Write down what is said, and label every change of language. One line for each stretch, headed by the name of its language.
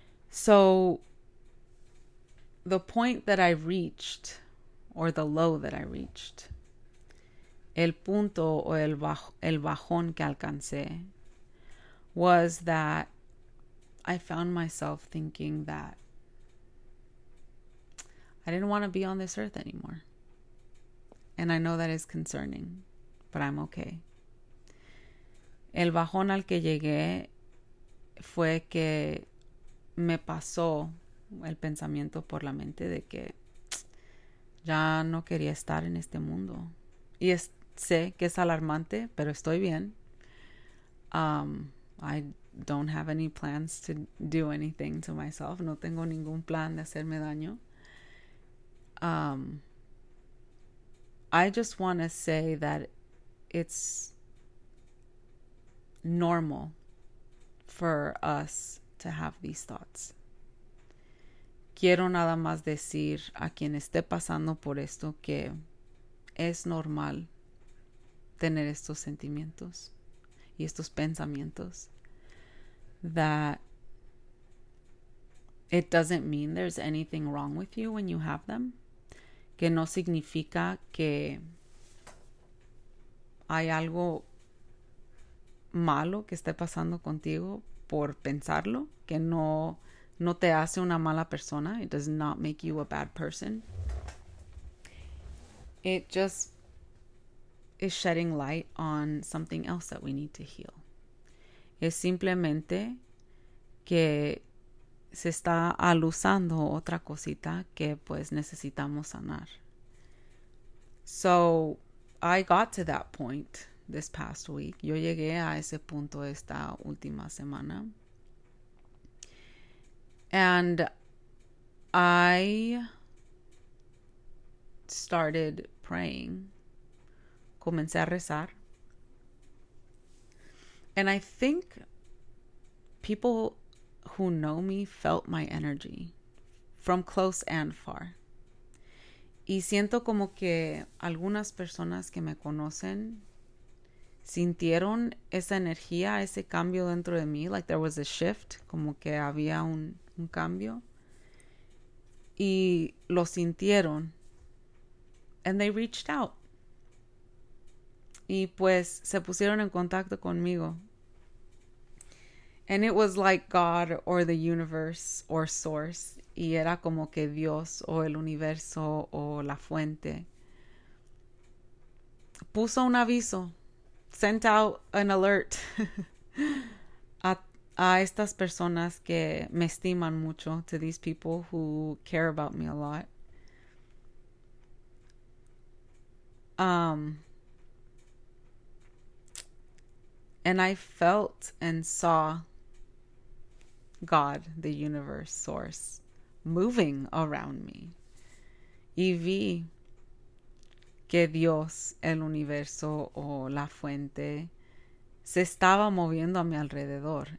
English: So, the point that I reached, or the low that I reached,
Spanish: el punto o el bajón que alcancé,
English: was that I found myself thinking that I didn't want to be on this earth anymore. And I know that is concerning, but I'm okay.
Spanish: El bajón al que llegué fue que me pasó el pensamiento por la mente de que ya no quería estar en este mundo. Y sé que es alarmante, pero estoy bien.
English: I don't have any plans to do anything to myself.
Spanish: No tengo ningún plan de hacerme daño.
English: I just want to say that it's normal for us to have these thoughts.
Spanish: Quiero nada más decir a quien esté pasando por esto que es normal tener estos sentimientos y estos pensamientos.
English: That it doesn't mean there's anything wrong with you when you have them.
Spanish: Que no significa que hay algo malo que esté pasando contigo por pensarlo, que no te hace una mala persona.
English: It does not make you a bad person. It just is shedding light on something else that we need to heal.
Spanish: Es simplemente que se está aluzando otra cosita que pues necesitamos sanar.
English: So I got to that point this past week.
Spanish: Yo llegué a ese punto esta última semana.
English: And I started praying.
Spanish: Comencé a rezar.
English: And I think people who know me felt my energy from close and far.
Spanish: Y siento como que algunas personas que me conocen sintieron esa energía, ese cambio dentro de mí.
English: Like there was a shift,
Spanish: como que había un cambio. Y lo sintieron.
English: And they reached out.
Spanish: Y pues se pusieron en contacto conmigo.
English: And it was like God or the universe or source.
Spanish: Y era como que Dios o el universo o la fuente puso un aviso,
English: sent out an alert
Spanish: a estas personas que me estiman mucho,
English: to these people who care about me a lot. And I felt and saw God, the universe, source, moving around me.
Spanish: Y vi que Dios, el universo, o la fuente, se estaba moviendo a mi alrededor.